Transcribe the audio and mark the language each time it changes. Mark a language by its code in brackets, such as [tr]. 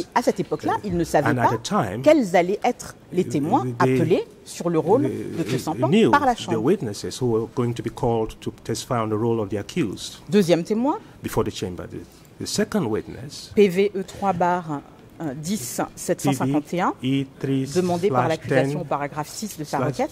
[fr] Et à cette époque-là, ils ne savaient pas quels allaient être les témoins appelés sur le rôle de Cressampan par la Chambre. [en] The witnesses who were going to be called to testify on the role of the accused. [fr] Deuxième témoin. [en] Before the chamber, the second witness. [fr] PVE3/10-751 demandé par l'accusation au paragraphe 6 de sa requête.